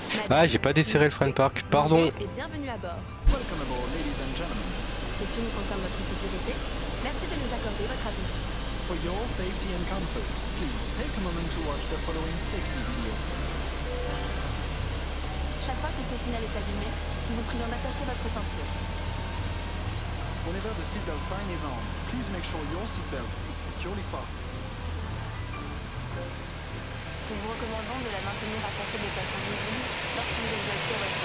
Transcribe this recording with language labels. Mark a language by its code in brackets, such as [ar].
[fr] Ah, j'ai pas desserré le frein de parc, pardon. Et bienvenue à bord. [en] Welcome aboard, ladies and gentlemen. [fr] Ce qui nous concerne notre sécurité, merci de nous accorder votre attention. [en] For your safety and comfort, please take a moment to watch the following safety video. [fr] Chaque fois que ce signal est allumé, nous vous prions d'attacher votre ceinture. [en] Whenever the seatbelt sign is on, please make sure your seatbelt is securely fastened. [fr] Nous vous recommandons de la maintenir attachée de façon visible lorsque vous exercez votre